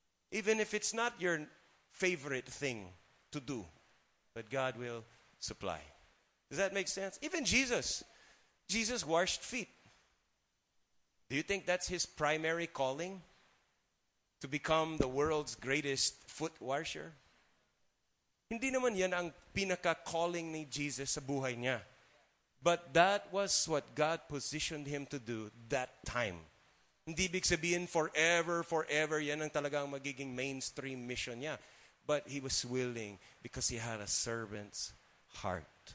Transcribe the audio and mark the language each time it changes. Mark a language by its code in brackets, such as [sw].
[en] Even if it's not your favorite thing to do, but God will supply. Does that make sense? Even Jesus washed feet. Do you think that's His primary calling? To become the world's greatest foot washer? [tl] Hindi naman yan ang pinaka-calling ni Jesus sa buhay niya. [en] But that was what God positioned Him to do that time. [tl] Hindi ibig sabihin forever, forever, yan ang talagang magiging mainstream mission niya. [en] But He was willing because He had a servant's heart.